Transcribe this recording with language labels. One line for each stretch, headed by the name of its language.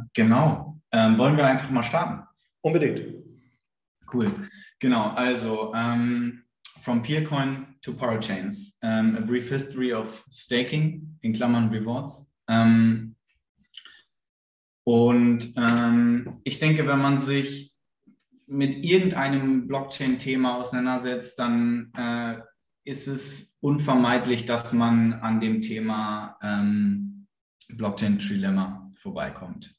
German: Wollen wir einfach mal starten? Unbedingt. Cool. Genau.
English: Also, from Peercoin to Parachains, a brief history of staking,
German: in Klammern
English: Rewards.
German: Und ich denke, wenn man sich mit irgendeinem Blockchain-Thema auseinandersetzt, dann ist es unvermeidlich, dass man an dem Thema Blockchain-Trilemma vorbeikommt.